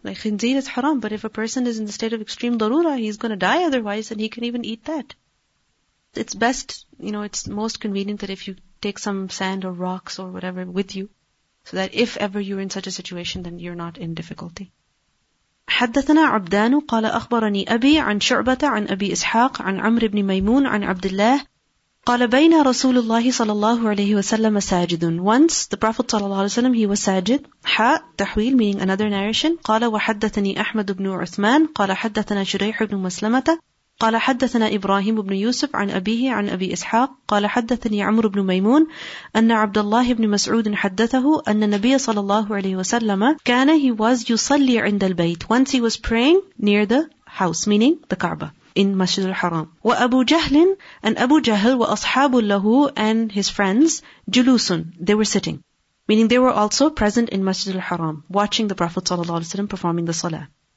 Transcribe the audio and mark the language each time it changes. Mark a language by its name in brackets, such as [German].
[English] Like khinzir is haram, but if a person is in the state of extreme darura, he's gonna die otherwise, and he can even eat that. It's best, you know, it's most convenient that if you take some sand or rocks or whatever with you, so that if ever you're in such a situation, then you're not in difficulty. [Arabic] حدثنا عبدان قال أخبرني أبي عن شعبة عن أبي إسحاق عن عمرو بن ميمون عن عبد الله قال بين رسول الله صلى الله عليه وسلم ساجد. [English] Once the Prophet صلى الله عليه وسلم, he was ساجد. [Arabic] حاء تحويل [English] meaning another narration. [Arabic] قال وحدثني أحمد بن عثمان قال حدثنا شريح بن مسلمة قال حدثنا إبراهيم بن يوسف عن أبيه عن أبي إسحاق قال حدثني عمرو بن ميمون أن عبد الله بن مسعود حدثه أن النبي صلى الله عليه وسلم كان [English] he was [Arabic] يصلي عند البيت. [English] Once he was praying near the house, meaning the Kaaba, in Masjid al-Haram. وأبو جهل, and أبو جهل [Arabic] وأصحاب له, [English] and his friends, [Arabic] جلوس, [English] they were sitting. Meaning they were also present in Masjid al-Haram, watching the Prophet صلى الله عليه وسلم performing the salah.